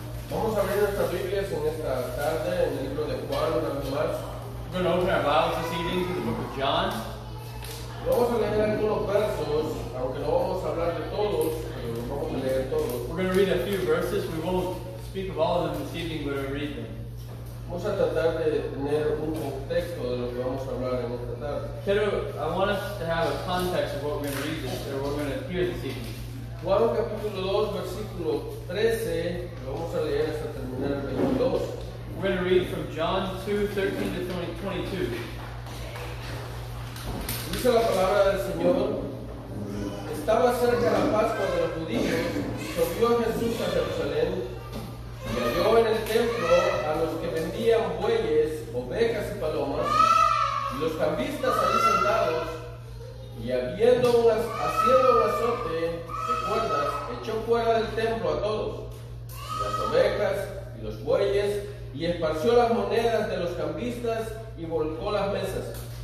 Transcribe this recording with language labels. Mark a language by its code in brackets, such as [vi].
[es] Vamos a abrir nuestras Biblias en esta tarde en el libro de Juan una vez más. [en] We're going to open our Bibles this evening to the book of John. [es] Vamos a leer algunos versos, aunque no vamos a hablar de todos, pero los vamos a leer todos. [en] We're going to read a few verses. We won't speak of all of them this evening, but we'll read them. [es] Vamos a tratar de tener un contexto de lo que vamos a hablar en esta tarde. [en] Pero I want us to have a context of what we're going to read this, or what we're going to hear this evening. [es] Juan capítulo 2, versículo 13, lo vamos a leer hasta terminar el 22. [en] We're going to read from John 2, 13 to 22. [es] Dice la palabra del Señor: Estaba cerca la Pascua de los judíos, subió Jesús a Jerusalén, y halló en el templo a los que vendían bueyes, ovejas y palomas, y los cambistas ahí sentados, y haciendo un azote de cuerdas, echó fuera del templo a todos, las ovejas y los bueyes, y esparció las monedas de los cambistas y volcó las mesas.